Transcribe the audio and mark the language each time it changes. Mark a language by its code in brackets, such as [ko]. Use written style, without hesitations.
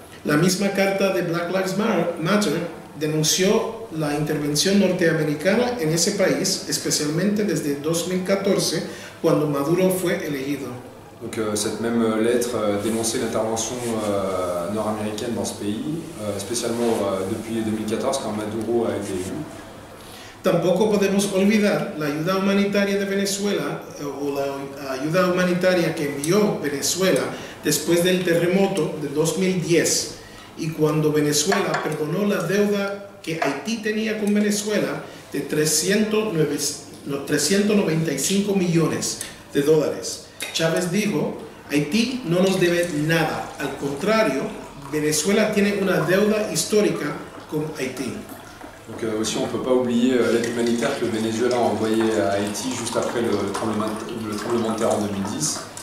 [es] La misma carta de Black Lives Matter denunció la intervención norteamericana en ese país, especialmente desde 2014, cuando Maduro fue elegido. [fr] Donc, cette même lettre dénonçait l'intervention nord-américaine dans ce pays, spécialement depuis 2014, quand Maduro a été élu. [es] Tampoco podemos olvidar la ayuda humanitaria de Venezuela o la ayuda humanitaria que envió Venezuela después del terremoto de 2010 y cuando Venezuela perdonó la deuda que Haití tenía con Venezuela de 395 millones de dólares. Chávez dijo, Haití no nos debe nada, al contrario, Venezuela tiene una deuda histórica con Haití. [fr] Donc aussi on ne peut pas oublier l'aide humanitaire que le Venezuela a envoyée à Haïti juste après le tremblement de terre en 2010.